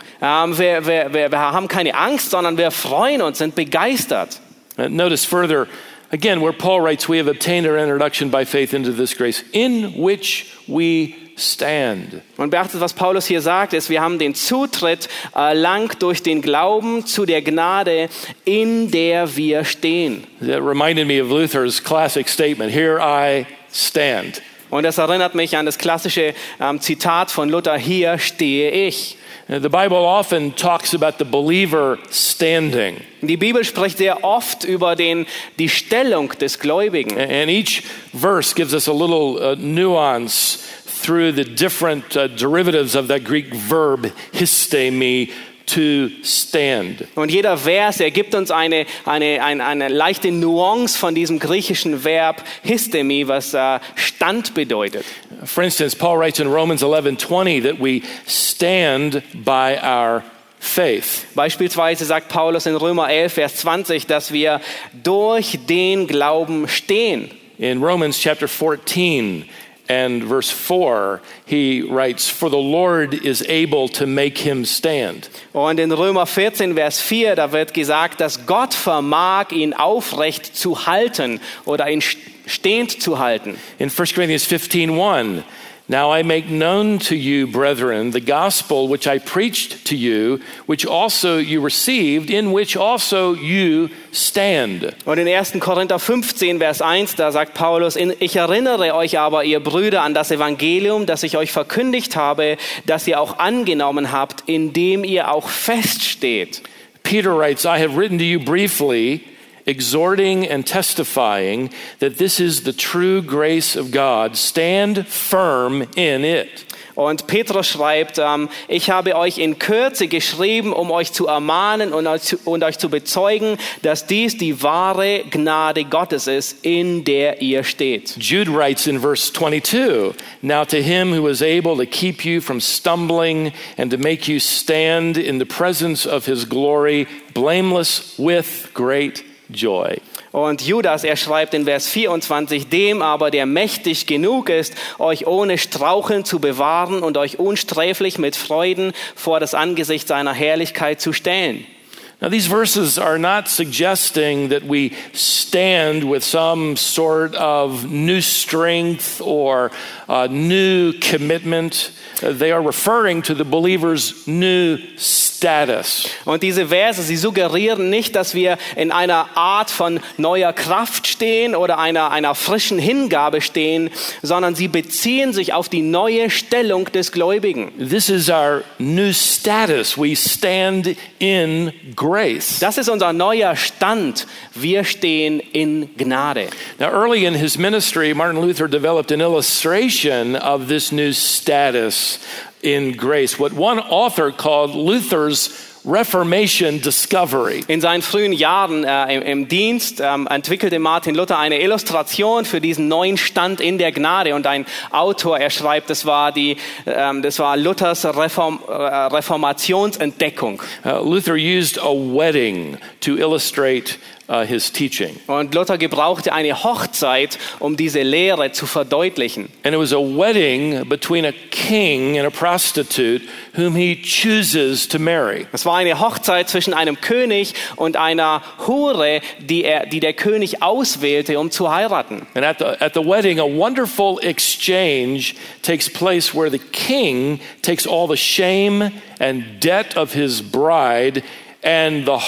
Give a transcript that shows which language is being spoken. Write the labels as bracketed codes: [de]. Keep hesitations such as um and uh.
[de] Um, wir, wir, wir, wir, haben keine Angst, sondern wir freuen uns, sind begeistert. [en] Uh, notice further, again, where Paul writes, we have obtained our introduction by faith into this grace, in which we stand. [de] Und beachtet, was Paulus hier sagt, ist, wir haben den Zutritt uh, lang durch den Glauben zu der Gnade, in der wir stehen. [en] That reminded me of Luther's classic statement, here I stand. [de] Und das erinnert mich an das klassische um, Zitat von Luther, hier stehe ich. [en] The Bible often talks about the believer standing. [de] Die Bibel spricht sehr oft über den die Stellung des Gläubigen. [en] And each verse gives us a little uh, nuance through the different uh, derivatives of that Greek verb histemi to stand. [de] Und jeder Vers ergibt uns eine, eine eine eine leichte Nuance von diesem griechischen Verb histemi, was uh, Stand bedeutet. [en] For instance, Paul writes in Romans eleven twenty that we stand by our faith. [de] Beispielsweise sagt Paulus in Römer 11, Vers 20, dass wir durch den Glauben stehen. [en] In Romans chapter 14 and verse 4, he writes, For the Lord is able to make him stand. [de] Und in Römer 14, Vers 4, da wird gesagt, dass Gott vermag, ihn aufrecht zu halten oder ihn stehend zu halten. [en] In 1 Corinthians 15:1, now I make known to you brethren the gospel which I preached to you, which also you received, in which also you stand. [de] Und in 1. Korinther 15 Vers 1, da sagt Paulus ich erinnere euch aber ihr Brüder an das Evangelium, das ich euch verkündigt habe, das ihr auch angenommen habt, in dem ihr auch feststeht. [en] Peter writes, I have written to you briefly exhorting and testifying that this is the true grace of God. Stand firm in it. [de] Und Petrus schreibt, um, ich habe euch in Kürze geschrieben, um euch zu ermahnen und euch zu, und euch zu bezeugen, dass dies die ist, [en] in Jude writes in verse 22, Now to him who is able to keep you from stumbling and to make you stand in the presence of his glory, blameless with great joy. [de] Und Judas, er schreibt in Vers 24, dem aber, der mächtig genug ist, euch ohne Straucheln zu bewahren und euch unsträflich mit Freuden vor das Angesicht seiner Herrlichkeit zu stellen. [en] Now, these verses are not suggesting that we stand with some sort of new strength or new commitment. They are referring to the believer's new status. [de] Und diese Verse, sie suggerieren nicht, dass wir in einer Art von neuer Kraft stehen oder einer, einer frischen Hingabe stehen, sondern sie beziehen sich auf die neue Stellung des Gläubigen. [en] This is our new status. We stand in now, early in his ministry, Martin Luther developed an illustration of this new status in grace. What one author called Luther's Reformation discovery. [de] In seinen frühen Jahren uh, Im, Im, Dienst um, entwickelte Martin Luther eine Illustration für diesen neuen Stand in der Gnade. Und ein Autor, er schreibt, das war, die, um, das war Luthers Reform, uh, Reformationsentdeckung. [en] Uh, Luther used a wedding to illustrate uh, his teaching. [de] Und Luther gebrauchte eine Hochzeit, um diese Lehre zu verdeutlichen. [en] And it was a wedding between a king and a prostitute whom he chooses to marry. [de] Es war a Hochzeit zwischen einem König und einer Hure, die er die der König auswählte, um zu heiraten. [en] And at the, at the wedding a wonderful exchange takes place where the king takes all the shame and debt of his bride Und